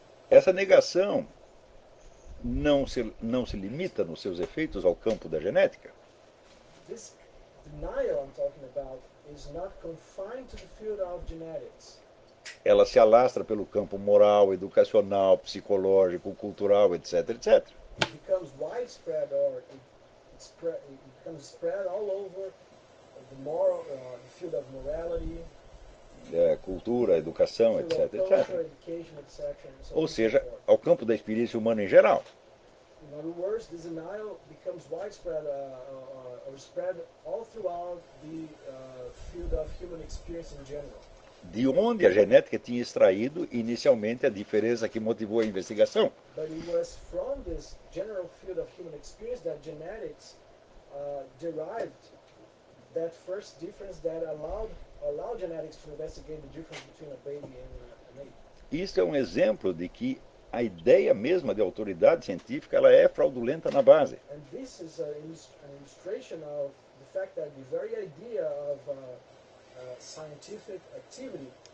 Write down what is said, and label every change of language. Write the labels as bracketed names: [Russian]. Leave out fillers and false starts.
[Portuguese] Essa negação não se limita nos seus efeitos ao campo da genética? [English] This denial I'm talking about is not confined to the field of genetics. [Portuguese] Ela se alastra pelo campo moral, educacional, psicológico, cultural, etc, etc. [English] It becomes widespread or it becomes spread all over the moral, the field of morality, [Portuguese] cultura, educação, etc, etc. [English] Education, etc, etc. [Portuguese] Ou seja, ao campo da experiência humana em geral. [English] In other words, this denial becomes widespread or spread all throughout the field of human experience in general. [Portuguese] De onde a genética tinha extraído inicialmente a diferença que motivou a investigação? [English] But it was from this general field of human experience that genetics derived that first difference that allowed genetics to investigate the difference between a baby and an ape. [Portuguese] Isso é um exemplo de que a ideia mesma de autoridade científica ela é fraudulenta na base. [English] And this is an illustration of the fact that the very idea of scientific activity,